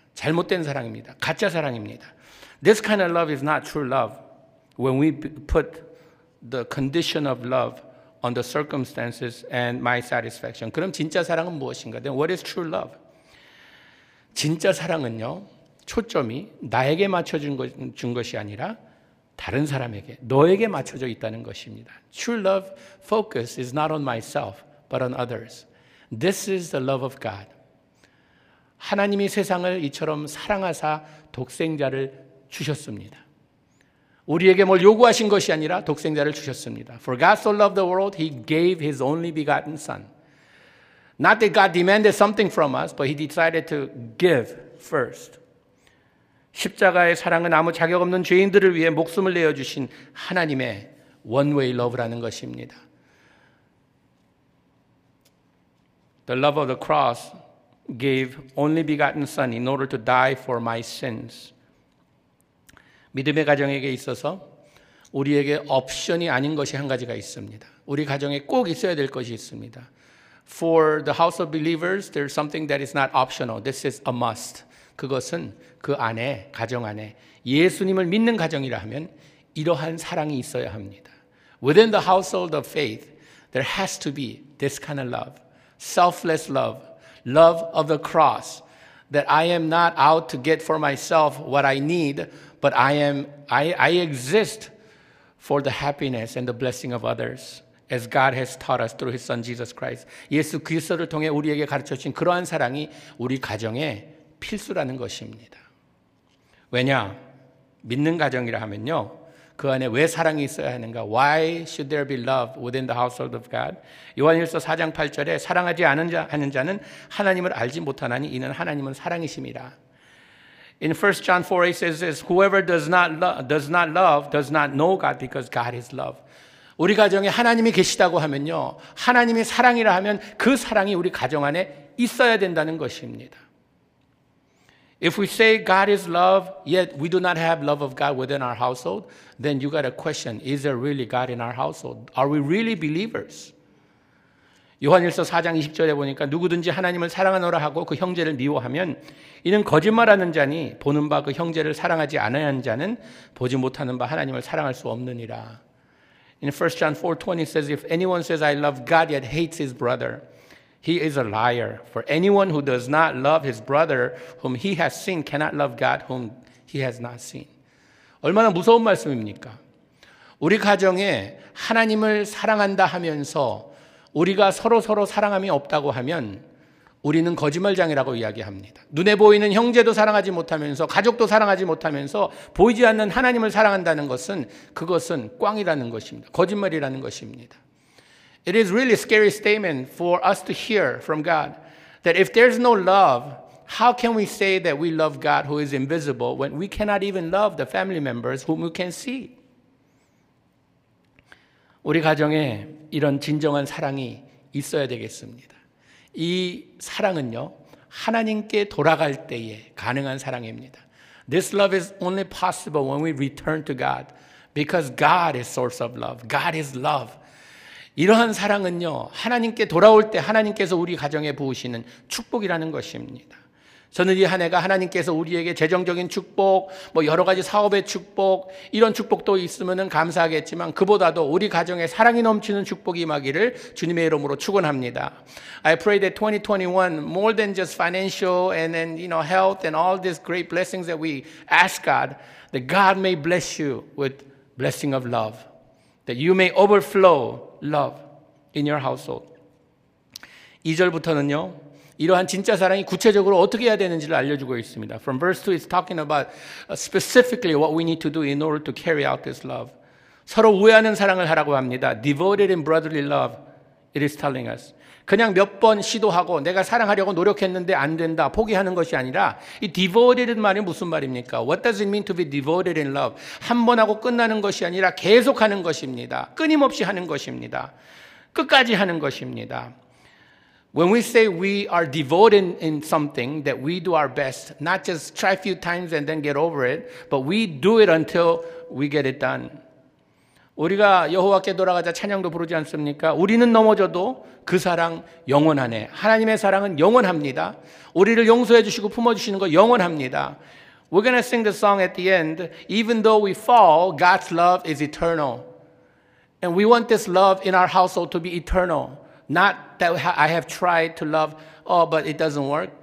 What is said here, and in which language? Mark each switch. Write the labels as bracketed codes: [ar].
[ko] 잘못된 사랑입니다. 가짜 사랑입니다. [en] This kind of love is not true love. When we put the condition of love on the circumstances and my satisfaction. [ko] 그럼 진짜 사랑은 무엇인가? [en] Then what is true love? [ko] 진짜 사랑은요, 초점이 나에게 맞춰준 준 것이 아니라 다른 사람에게, 너에게 맞춰져 있다는 것입니다. [en] True love focus is not on myself, but on others. This is the love of God. [ko] 하나님이 세상을 이처럼 사랑하사 독생자를 주셨습니다. 우리에게 뭘 요구하신 것이 아니라 독생자를 주셨습니다. [en] For God so loved the world, He gave His only begotten Son. Not that God demanded something from us, but He decided to give first. [ko] 십자가의 사랑은 아무 자격 없는 죄인들을 위해 목숨을 내어주신 하나님의 [en] one-way love [ko] 라는 것입니다. [en] The love of the cross gave only begotten Son in order to die for my sins. [ko] 믿음의 가정에게 있어서 우리에게 옵션이 아닌 것이 한 가지가 있습니다. 우리 가정에 꼭 있어야 될 것이 있습니다. [en] For the house of believers, there's something that is not optional. This is a must. [ko] 그것은 그 안에, 가정 안에 예수님을 믿는 가정이라 하면 이러한 사랑이 있어야 합니다. [en] Within the household of faith, there has to be this kind of love. Selfless love. Love of the cross. That I am not out to get for myself what I need, but I exist for the happiness and the blessing of others, as God has taught us through His Son Jesus Christ. [ko] 예수 그리스도를 통해 우리에게 가르쳐 주신 그러한 사랑이 우리 가정에 필수라는 것입니다. 왜냐? 믿는 가정이라 하면요, 그 안에 왜 사랑이 있어야 하는가? [en] Why should there be love within the household of God? [ko] 요한일서 4장 8절에 사랑하지 않은 자는 하나님을 알지 못하나니 이는 하나님은 사랑이심이라. [en] In 1 John 4:8 says this, whoever does not love does not know God because God is love. [ko] 우리 가정에 하나님이 계시다고 하면요, 하나님이 사랑이라 하면 그 사랑이 우리 가정 안에 있어야 된다는 것입니다. [en] If we say God is love, yet we do not have love of God within our household, then you got a question, is there really God in our household? Are we really believers? [ko] 요한일서 4장 20절에 보니까 누구든지 하나님을 사랑하노라 하고 그 형제를 미워하면 이는 거짓말하는 자니 보는 바 그 형제를 사랑하지 않아야 하는 자는 보지 못하는 바 하나님을 사랑할 수 없느니라. [en] In 1 John 4:20 says, If anyone says I love God yet hates his brother, he is a liar. For anyone who does not love his brother whom he has seen cannot love God whom he has not seen. [ko] 얼마나 무서운 말씀입니까? 우리 가정에 하나님을 사랑한다 하면서 우리가 서로서로 사랑함이 없다고 하면 우리는 거짓말장이라고 이야기합니다. 눈에 보이는 형제도 사랑하지 못하면서 가족도 사랑하지 못하면서 보이지 않는 하나님을 사랑한다는 것은 그것은 꽝이라는 것입니다. 거짓말이라는 것입니다. [en] It is really scary statement for us to hear from God that if there's no love, how can we say that we love God who is invisible when we cannot even love the family members whom we can see? [ko] 우리 가정에 이런 진정한 사랑이 있어야 되겠습니다. 이 사랑은요, 하나님께 돌아갈 때에 가능한 사랑입니다. [en] This love is only possible when we return to God because God is source of love. God is love. [ko] 이러한 사랑은요, 하나님께 돌아올 때 하나님께서 우리 가정에 부으시는 축복이라는 것입니다. 저는 이 한 해가 하나님께서 우리에게 재정적인 축복, 뭐 여러 가지 사업의 축복, 이런 축복도 있으면은 감사하겠지만 그보다도 우리 가정에 사랑이 넘치는 축복이 임하기를 주님의 이름으로 축원합니다. [en] I pray that 2021 more than just financial and then you know health and all these great blessings that we ask God, that God may bless you with blessing of love, that you may overflow love in your household. [ko] 2절부터는요. 이러한 진짜 사랑이 구체적으로 어떻게 해야 되는지를 알려주고 있습니다. [en] From verse 2, it's talking about specifically what we need to do in order to carry out this love. [ko] 서로 우애하는 사랑을 하라고 합니다. [en] Devoted in brotherly love, it is telling us. [ko] 그냥 몇 번 시도하고 내가 사랑하려고 노력했는데 안 된다, 포기하는 것이 아니라 이 devoted은 말이 무슨 말입니까? [en] What does it mean to be devoted in love? [ko] 한 번 하고 끝나는 것이 아니라 계속하는 것입니다. 끊임없이 하는 것입니다. 끝까지 하는 것입니다. [en] When we say we are devoted in something, that we do our best, not just try a few times and then get over it, but we do it until we get it done. [ko] 우리가 여호와께 돌아가자 찬양도 부르지 않습니까? 우리는 넘어져도 그 사랑 영원하네. 하나님의 사랑은 영원합니다. 우리를 용서해 주시고 품어주시는 거 영원합니다. [en] We're going to sing the song at the end. Even though we fall, God's love is eternal. And we want this love in our household to be eternal. Not that I have tried to love, oh, but it doesn't work.